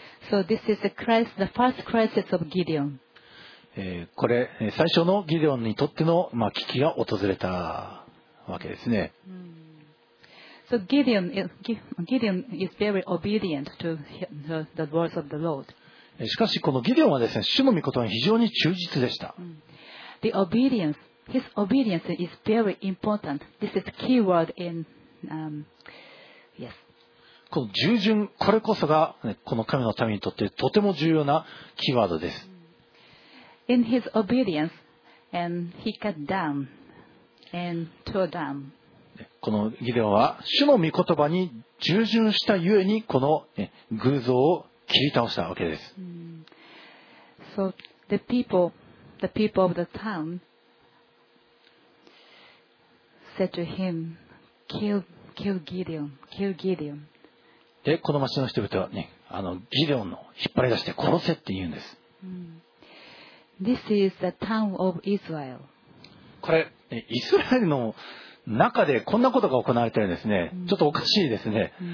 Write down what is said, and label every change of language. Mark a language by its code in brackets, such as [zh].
[en] So this is the first crisis of Gideon. [ja] これ最初のギデオンにとっての、まあ、危機が訪れたわけですね。 [en] So Gideon is very obedient to the words of the Lord. [ja] しかしこのギデオンはですね、主の御言葉に非常に忠実でした。 [en] The obedience, his obedience is very important. This is the key word in, yes. [ja] この従順、これこそが、ね、この神のためにとってとても重要なキーワードです。 [en] In his obedience, and he cut down and tore down. [ja] このギデオンは主の御言葉に従順したゆえにこの、ね、偶像を切り倒したわけです。 [en] So the people of the town said to him, kill, Kill Gideon. Kill Gideon. [ja] で、この町の人々はね、あのギデオンの引っ張り出して殺せって言うんです。 [en] This is the town of Israel. [ja] これ、イスラエルの中でこんなことが行われてるんですね。ちょっとおかしいですね。